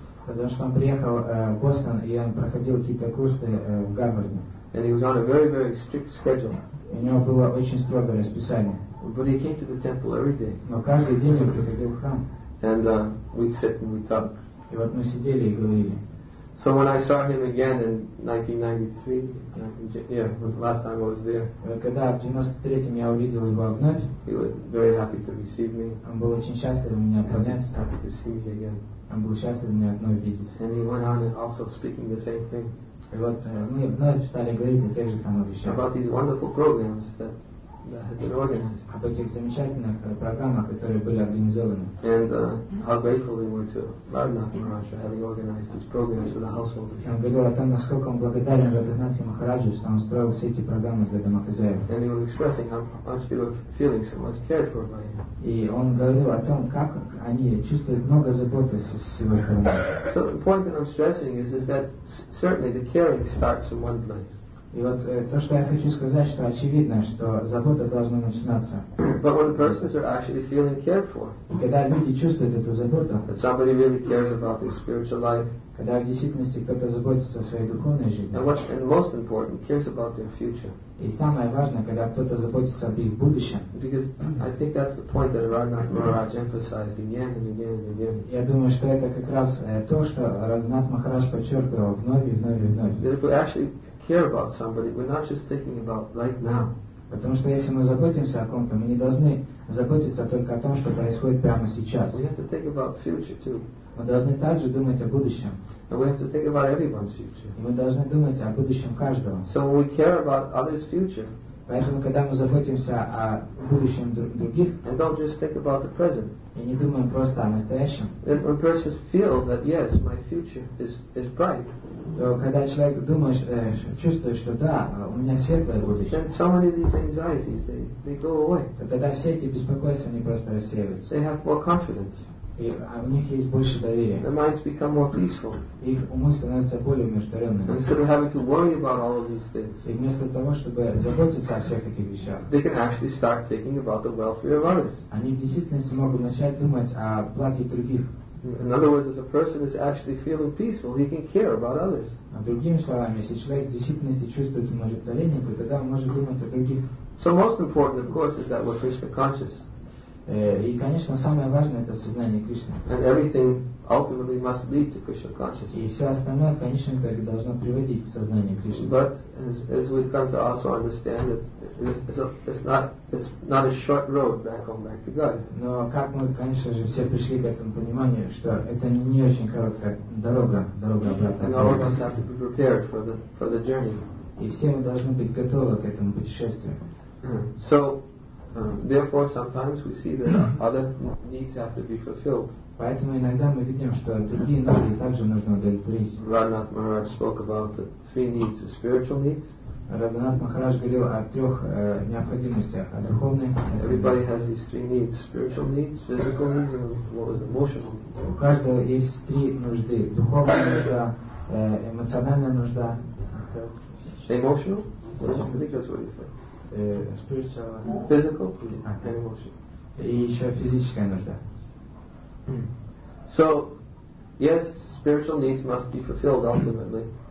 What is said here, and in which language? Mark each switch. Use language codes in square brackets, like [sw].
[ru] Потому что он приехал в Бостон, и он проходил какие-то курсы в Гарварде. [en] And he was on a very, very strict schedule. [ru] У него было очень строгое расписание. [en] But he came to the temple every day. [ru] Но каждый день он приходил в храм. [en] And we'd sit and we'd talk. [ru] И вот мы сидели и говорили. [en] So when I saw him again in 1993, yeah, last time I was there, [ru] вновь, [en] he was very happy to receive me. Happy to see me again. [ru] Он был счастлив меня вновь видеть. [en] And he went on and also speaking the same thing. [ru] И вот мы вновь стали говорить о тех же самых вещах. [en] About these wonderful programs that had been organized. [ru] Об этих замечательных программах, которые были организованы. [en] And how grateful they were to Radhanath Maharaj for having organized these programs for the householders. [ru] Он говорил о том, насколько он благодарен Радханате Махараджу, что он устроил все эти программы для домохозяев. [en] And he was expressing how much they were feeling so much cared for by him. [ru] И он говорил о том, как они чувствуют много заботы с его стороны. [en] So the point that I'm stressing is that certainly the caring starts from one place. [ru] И вот то, что я хочу сказать, что очевидно, что забота должна начинаться. [en] But when the persons are actually feeling cared for, [ru] когда люди чувствуют эту заботу, [en] that somebody really cares about their spiritual life, [ru] когда в действительности кто-то заботится о своей духовной жизни, [en] and most important, cares about their future. [ru] И самое важное, когда кто-то заботится об их будущем. [en] Because I think that's the point that Radhanath Maharaj emphasized again and again and again. [ru] Я думаю, что это как раз то, что Радханат Махарадж подчеркивал вновь и вновь и вновь. [en] That if we actually care about somebody, we're not just thinking about right now. [ru] Потому что если мы заботимся о ком-то, мы не должны заботиться только о том, что происходит прямо сейчас. [en] We have to think about future too. [ru] Мы должны также думать о будущем. [en] And we have to think about everyone's future. [ru] И мы должны думать о будущем каждого. [en] So when we care about others' future, [ru] поэтому когда мы заботимся о будущем других, [en] and don't just think about the present, [ru] и не думаем просто о настоящем, [en] then when persons feel that yes, my future is bright, [ru] то когда человек чувствует, что да, у меня светлое будущее, [en] then so many of these anxieties they go away. [ru] То тогда все эти беспокойства они просто рассеиваются. [en] They have more confidence. [ru] И у них есть больше доверия. [en] Their minds become more peaceful. [ru] Их умы становятся более умиротворенными. [en] Instead of having to worry about all of these things, [ru] и вместо того, чтобы заботиться о всех этих вещах, [en] they can actually start thinking about the welfare of others. [ru] Они в действительности могут начать думать о благе других. [en] In other words, if a person is actually feeling peaceful, he can care about others. [ru] А другими словами, если человек в действительности чувствует умиротворение, то тогда он может думать о других. [en] So most important, of course, is that we're Krishna conscious. [ru] И, конечно, самое важное — это сознание Кришны. [en] And everything ultimately must lead to Krishna consciousness. [ru] И все остальное в конечном итоге должно приводить к сознанию Кришны. [en] But as we've come to also understand that it's not a short road back to God. [ru] Но как мы, конечно же, все пришли к этому пониманию, что это не очень короткая дорога обратно. [en] And all of us have to be prepared for the journey. [ru] И все мы должны быть готовы к этому путешествию. [en] So therefore, sometimes we see that other needs have to be fulfilled. [ru] Поэтому иногда мы видим, что другие нужды также нужно удовлетворить. [en] Radhanath Maharaj spoke about the three needs, the spiritual needs. [ru] Radhanath Maharaj говорил о трех необходимостях, о духовной. [en] Everybody has these three needs: spiritual needs, physical needs, and what was emotional needs. [ru] У каждого есть три нужды: духовная нужда, эмоциональная нужда. [en] Emotional? I think that's what you said. Spiritual, physical, and emotional. [ru] И еще физическая нужда. [en] So, yes, spiritual needs must be fulfilled ultimately.